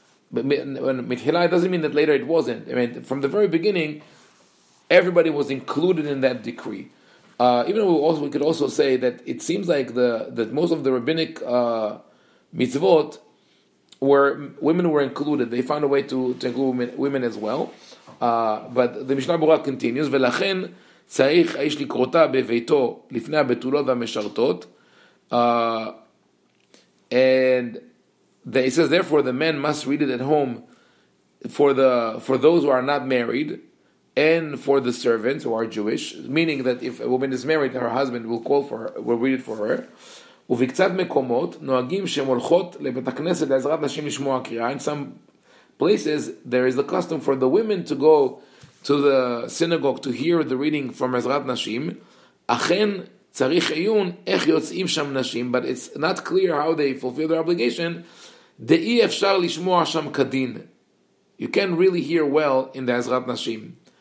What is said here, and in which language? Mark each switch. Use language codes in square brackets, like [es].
[en] When mitchila, it doesn't mean that later it wasn't. I mean, from the very beginning, everybody was included in that decree. Even though we could also say that it seems like that most of the rabbinic mitzvot, where women were included, they found a way to include women as well. [he] But the Mishnah Berurah continues, ולכן צריך האיש לקרותה בביתו לפני הבתולות והמשרתות. [en] And it says, therefore, the men must read it at home for those who are not married and for the servants who are Jewish, meaning that if a woman is married, her husband will call for her, will read it for her. [he] ובקצת מקומות נוהגים שהן הולכות לבית הכנסת לעזרת נשים לשמוע קריאה. [en] In some places, there is the custom for the women to go to the synagogue to hear the reading from Ezrat Nashim. אכן צריך עיון איך יוצאים שם נשים, but it's not clear how they fulfill their obligation. דאי אפשר לשמוע שם כדין. You can't really hear well in the Ezrat Nashim.